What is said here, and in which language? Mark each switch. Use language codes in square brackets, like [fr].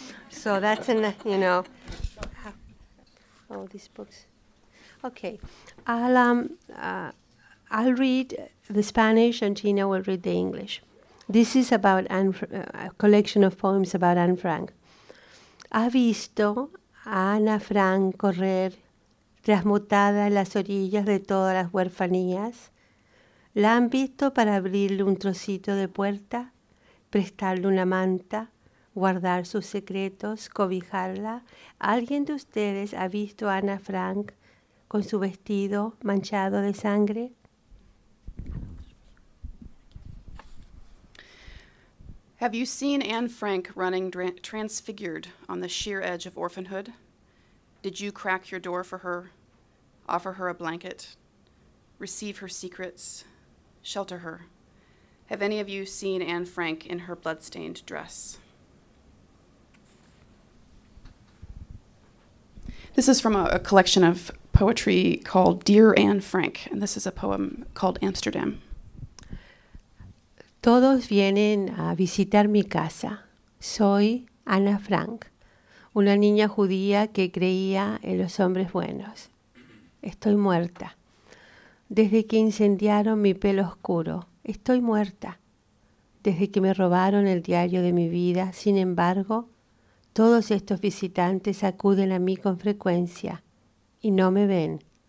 [en] So that's these books. Okay, I'll read the Spanish and Tina will read the English. This is about a collection of poems about Anne Frank. [es] Ha visto a Ana Frank correr trasmutada en las orillas de todas las huerfanías. La han visto para abrirle un trocito de puerta, prestarle una manta, guardar sus secretos, cobijarla. ¿Alguien de ustedes ha visto a Ana Frank con su vestido manchado de sangre? [en] Have you seen Anne Frank running transfigured on the sheer edge of orphanhood? Did you crack your door for her, offer her a blanket, receive her secrets, shelter her? Have any of you seen Anne Frank in her bloodstained dress? This is from a collection of poetry called Dear Anne Frank, and this is a poem called Amsterdam. [es] Todos vienen a visitar mi casa. Soy Ana Frank, una niña judía que creía en los hombres buenos. Estoy muerta. Desde que incendiaron mi pelo oscuro, estoy muerta. Desde que me robaron el diario de mi vida, sin embargo, todos estos visitantes acuden a mí con frecuencia y no me ven.